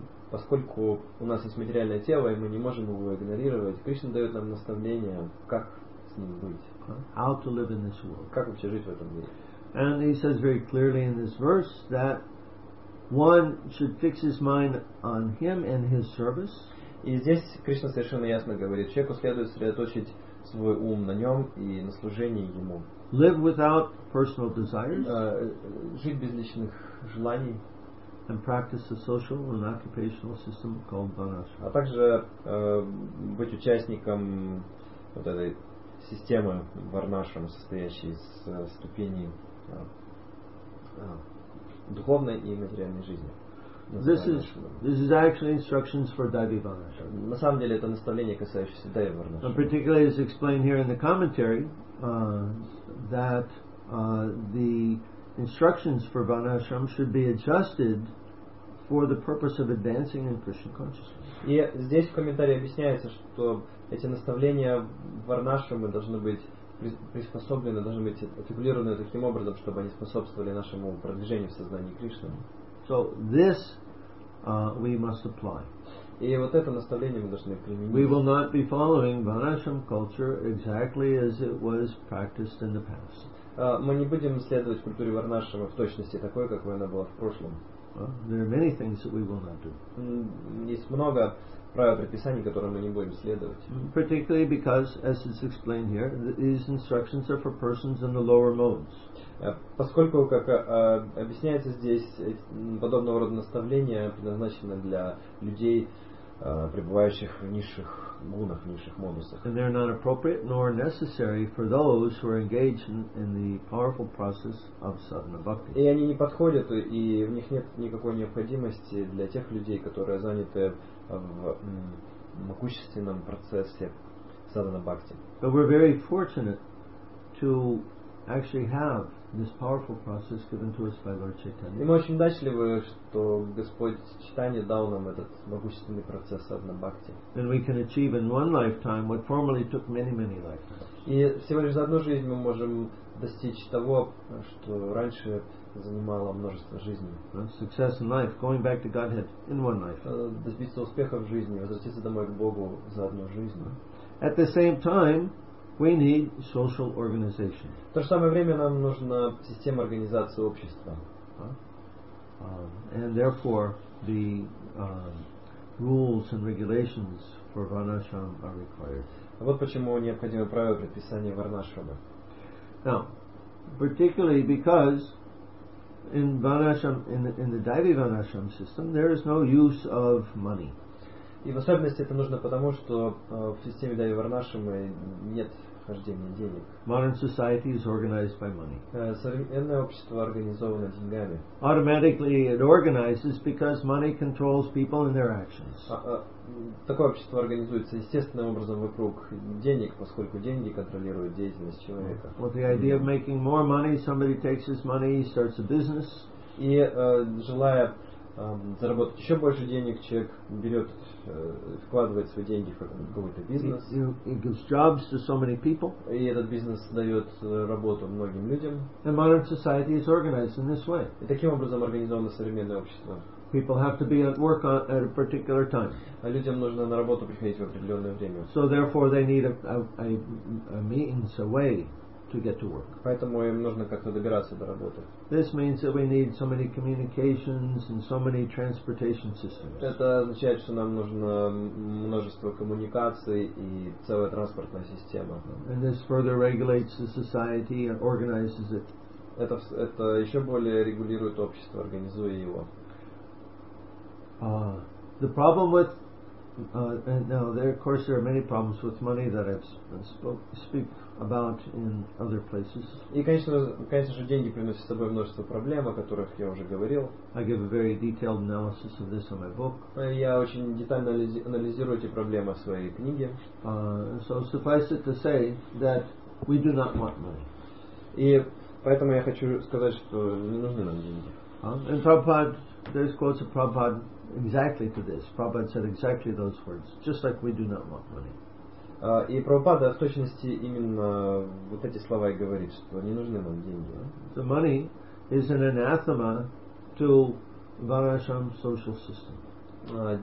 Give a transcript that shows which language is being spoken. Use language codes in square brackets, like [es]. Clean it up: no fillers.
[ru] Поскольку у нас есть материальное тело и мы не можем его игнорировать, Кришна дает нам наставление, как с ним быть. [en] How to live in this world? [ru] Как вообще жить в этом мире? [en] And he says very clearly in this verse that one should fix his mind on him and his service. [ru] И здесь Кришна совершенно ясно говорит, человеку следует сосредоточить свой ум на нем и на служении ему. [en] Live without personal desires. [ru] Жить без личных желаний. [en] And practice a social and occupational system called vanashram. [ru] А также быть участником вот этой системы варнашрам, состоящей из ступеней духовной и материальной жизни. [en] This is actually instructions for Daivi Varnashram. [ru] На самом деле это наставление, касающееся Daivi Varnashram. [en] And particularly is explained here in the commentary that the instructions for Varnashram should be adjusted for the purpose of advancing in Krishna consciousness. [ru] И здесь в комментарии объясняется, что эти наставления Варнашрамы должны быть приспособлены, должны быть артикулированы таким образом, чтобы они способствовали нашему продвижению в сознании Кришны. [en] So this we must apply. [ru] И вот это наставление мы должны применить. [en] We will not be following Varnashram culture exactly as it was practiced in the past. [ru] Мы не будем следовать культуре Варнашрама в точности такой, какой она была в прошлом. [en] There are many things that we will not do. [ru] Есть много правил предписаний, которым мы не будем следовать. [en] Particularly because, as is explained here, these instructions are for persons in the lower modes. [ru] Поскольку, как объясняется здесь, подобного рода наставления предназначены для людей, пребывающих в низших гунах, в низших модусах. [en] And they are not appropriate nor necessary for those who are engaged in the powerful process of sadhana bhakti. [ru] И они не подходят, и в них нет никакой необходимости для тех людей, которые заняты в могущественном процессе sadhana bhakti. [en] But we're very fortunate to actually have this powerful process given to us by Lord Chaitanya. [ru] И мы очень удачливы, что Господь Чайтанья дал нам этот могущественный процесс sadhana bhakti. [en] And we can achieve in one lifetime what formerly took many, many lifetimes. [ru] И всего лишь за одну жизнь мы можем достичь того, что раньше занимало множество жизней. [en] Success in life, going back to Godhead in one life. [ru] Добиться успеха в жизни, возвратиться домой к Богу за одну жизнь. [en] At the same time, we need social organization. [ru] В то же самое время нам нужна система организации общества. [en] And therefore, the rules and regulations for Varnashram are required. [ru] Вот почему необходимы правила предписания Варнашрама. [en] Now, particularly because in Varnashram, in the Daivi Varnashram system, there is no use of money. [ru] И в особенности это нужно потому, что в системе Daivi Varnashram нет хождения денег. [en] Modern society is organized by money. [ru] Современное общество организовано деньгами. [en] Automatically it organizes because money controls people and their actions. [ru] Такое общество организуется естественным образом вокруг денег, поскольку деньги контролируют деятельность человека. [en] Well, the idea of making more money, somebody takes his money, starts a business. [ru] И желая заработать еще больше денег, человек берет, вкладывает свои деньги в какой-то бизнес. [en] It gives jobs to so many people. [ru] И этот бизнес дает работу многим людям. [en] And modern society is organized in this way. [ru] И таким образом организовано современное общество. [en] People have to be at work at a particular time. [ru] А людям нужно на работу приходить в определенное время. [en] So therefore they need a means, a way to get to work. [ru] Поэтому им нужно как-то добираться до работы. [en] This means that we need so many communications and so many transportation systems. [ru] Это означает, что нам нужно множество коммуникаций и целая транспортная система. [en] And this further regulates the society and organizes it. [ru] Это еще более регулирует общество, организуя его. [en] The problem with and now there, of course, there are many problems with money that I've speak about in other places. [ru] И конечно же деньги приносят с собой множество проблем, о которых я уже говорил. [en] I give a very detailed analysis of this in my book. [ru] Я очень детально анализирую эти проблемы в своей книге. [en] So suffice it to say that we do not want money. [ru] И поэтому я хочу сказать, что не нужны нам деньги. [en] And Prabhupada, there's quotes of Prabhupada exactly to this. Prabhupada said exactly those words, just like we do not want money. [ru] И Прабхупада в точности именно вот эти слова и говорит, что не нужны нам деньги. [en] The money is an anathema to Varnashram social system.